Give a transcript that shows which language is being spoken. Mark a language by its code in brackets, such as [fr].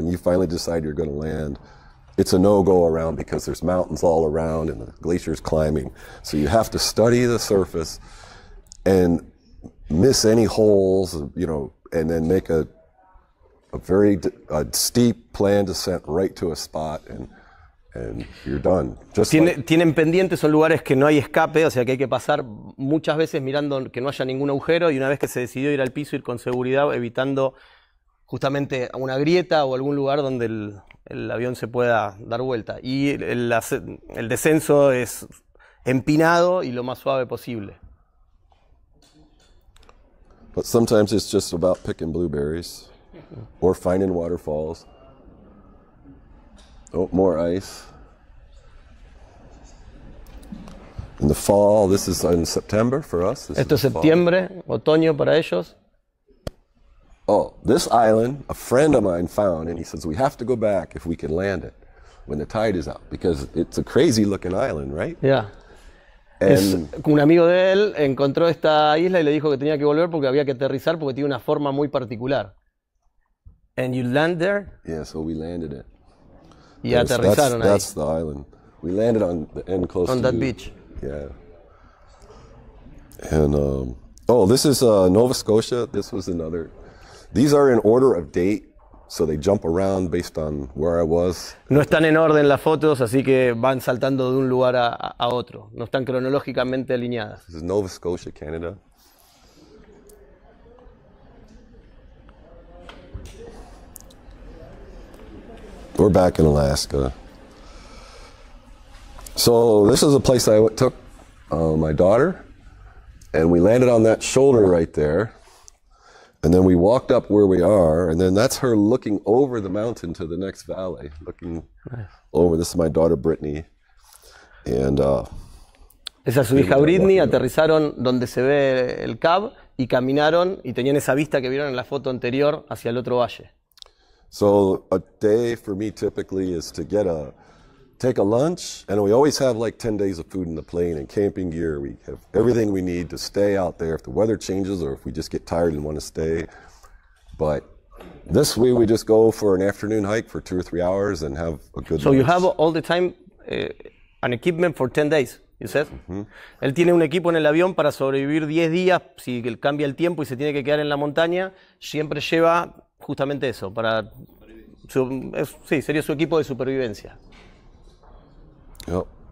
[en] When you finally decide you're going to land, it's a no-go around because there's mountains all around and the glaciers climbing. So you have to study the surface and miss any holes, you know, and then make a very steep planned descent right to a spot. And you're done. Just [es] tienen pendientes, son lugares que no hay escape, o sea que hay que pasar muchas veces mirando que no haya ningún agujero y una vez que se decidió ir al piso, ir con seguridad, evitando justamente una grieta o algún lugar donde el avión se pueda dar vuelta. Y el descenso es empinado y lo más suave posible. [en] But sometimes it's just about picking blueberries. or finding waterfalls. Oh, more ice. In the fall, this is in September for us. This [es] Esto es septiembre, fall. Otoño para ellos. [en] Oh, this island, a friend of mine found, and he says, we have to go back if we can land it when the tide is out, because it's a crazy looking island, right? Yeah. [es] Es un amigo de él encontró esta isla y le dijo que tenía que volver porque había que aterrizar porque tiene una forma muy particular. [en] And you land there? Yeah, so we landed it. [es] Y yes, aterrizaron [en] that's, That's the island. We landed on the end close on to On that you. Beach. Yeah. And, this is Nova Scotia. This was another. These are in order of date. So they jump around based on where I was. [es] No están en orden las fotos, así que van saltando de un lugar a otro. No están cronológicamente alineadas. [en] This is Nova Scotia, Canada. We're back in Alaska. So this is a place I took my daughter, and we landed on that shoulder right there. And then we walked up where we are, and then that's her looking over the mountain to the next valley, looking nice. Over. This is my daughter Brittany, and. [es] Esa es su hija Brittany. Aterrizaron donde se ve el cab y caminaron y tenían esa vista que vieron en la foto anterior hacia el otro valle. [en] So a day for me typically is to get a, take a lunch, and we always have like 10 days of food in the plane and camping gear. We have everything we need to stay out there if the weather changes or if we just get tired and want to stay. But this way we just go for an afternoon hike for 2 or 3 hours and have a good lunch. So you have all the time an equipment for 10 days, you said? [es] Él tiene un equipo en el avión para sobrevivir 10 días si cambia el tiempo y se tiene que quedar en la montaña. Siempre lleva justamente eso, para su, es, sí, sería su equipo de supervivencia. [en] Yep.